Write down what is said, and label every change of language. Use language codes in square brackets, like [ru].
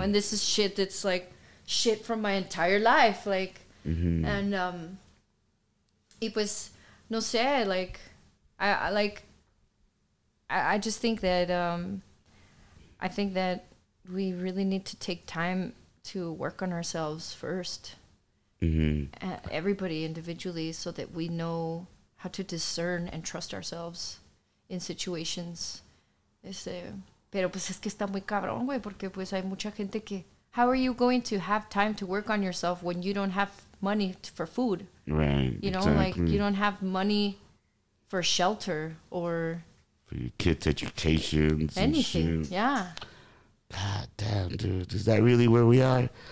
[en] And this is shit that's, like, shit from my entire life, like, and it was, [es] no sé, [en] like, I just think that, I think that we really need to take time to work on ourselves first, everybody individually, so that we know how to discern and trust ourselves in situations. [es] Pero pues es que está muy cabrón, güey, porque pues hay mucha gente que... [en] How are you going to have time to work on yourself when you don't have money for food? Right, you know, exactly. Like, you don't have money for shelter or... For your kids' education. Anything, yeah. God damn, dude. Is that really where we are?